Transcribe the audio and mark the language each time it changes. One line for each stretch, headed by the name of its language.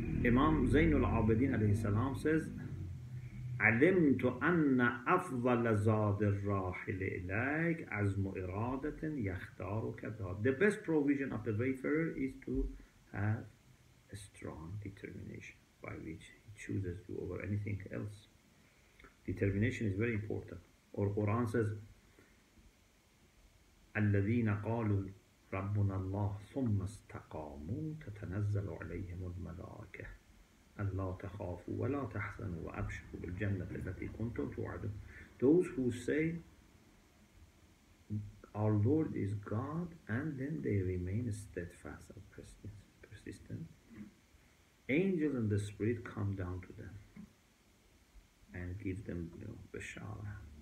English: Imam Zainul Abidin alayhi salam says,
Arabic: علمت أن أفضل زاد الراحل إليك عزم إرادة يختارك ذات.
English: The best provision of the wayfarer is to have a strong determination by which he chooses to over anything else. Determination is very important. Or Quran says,
Arabic: الذين قالوا ربنا الله ثم استقاموا تتنزل عليهم الملائكه ألا تخافوا ولا تحزنوا وأبشروا بالجنة التي كنتم توعدون.
English: Those who say our Lord is God and then they remain steadfast and persistent, angels and the spirit come down to them and give them bishara.